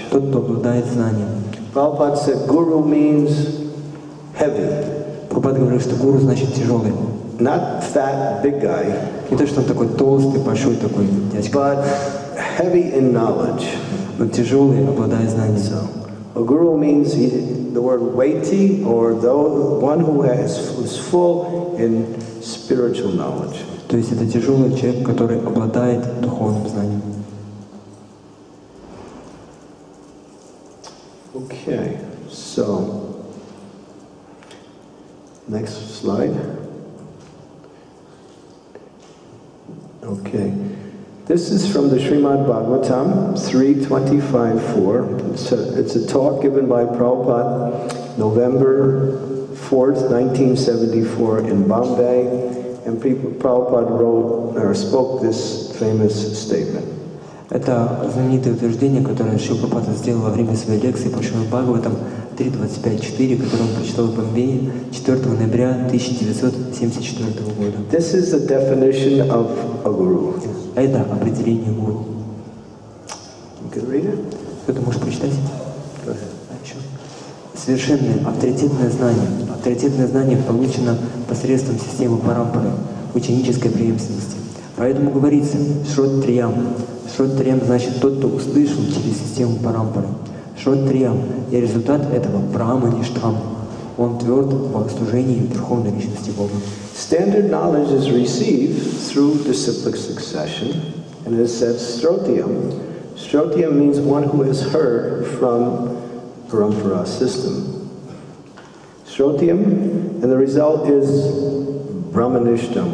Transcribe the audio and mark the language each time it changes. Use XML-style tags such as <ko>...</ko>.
<ru>Тот, кто обладает знанием.</ru> <en>Prabhupada said, guru means heavy.</en> <ru>Прабхупада говорил, что гуру значит тяжелый.</ru> <en>Not fat, big guy.</en> <ru>Не то, что он такой толстый, большой такой дядька.</ru> <en>But heavy in knowledge.</en> <ru>Но тяжелый, обладая знанием.</ru> <en>So, a guru means the word weighty, or though one who has is full in spiritual knowledge.</en> <ru>То есть это тяжелый человек, который обладает духовным знанием.</ru> <en>Okay, so. Next slide. Okay. This is from the Srimad Bhagavatam 3.25.4. It's a talk given by Prabhupada November 4th, 1974 in Bombay. And Prabhupada wrote or spoke this famous statement.</en> <ru>Это знаменитое утверждение, которое Шри Прабхупада сделал во время своей лекции по Шримад Бхагаватам 3.25.4, которое он прочитал в Бомбее 4 ноября 1974 года.</ru> <en>This is the definition of a guru.</en> <ru>Это определение гуру.</ru> <en>You can read it?</en> <ru>Кто-то может прочитать?</ru> <en>Go ahead.</en> <ru>Совершенное авторитетное знание. Авторитетное знание получено посредством системы парампары, ученической преемственности. Поэтому говорится, Шрот Триям, Шот-триям значит тот, кто услышал через систему парампары. Шот-триям и результат этого прама-ништхам. Он тверд в служении Верховной Личности Бога.</ru> <en>Standard knowledge is received through the cyclic succession, and it says Shrotiyam. Shrotiyam means one who has heard from Parampara system. Shrotiyam, and the result is Brahmanishtam.</en>